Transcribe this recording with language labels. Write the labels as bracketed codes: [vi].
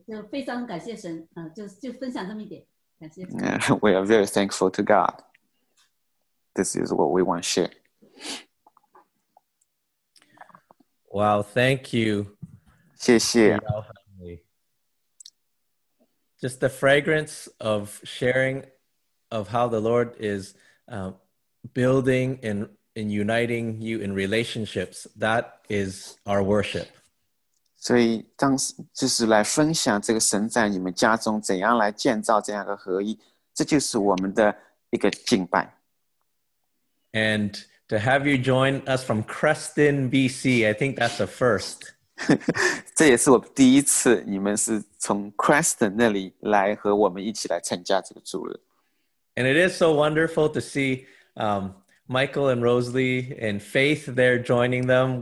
[zh] 非常感谢神，就分享这么一点，感谢。 [en] We are very thankful to God. This is what we want to share. Wow, thank you. [zh] 谢谢。 [en] Just the fragrance of sharing of how the Lord is building and uniting you in relationships, that is our worship. [zh] 所以当就是来分享这个神在你们家中怎样来建造这样的合一，这就是我们的一个敬拜。 [en] And to have you join us from Creston, BC, I think that's a first. [zh] 这也是我第一次你们是从 Creston 那里来和我们一起来参加这个主日 [en] And it is so wonderful to see Michael and Rosalie and Faith there joining them.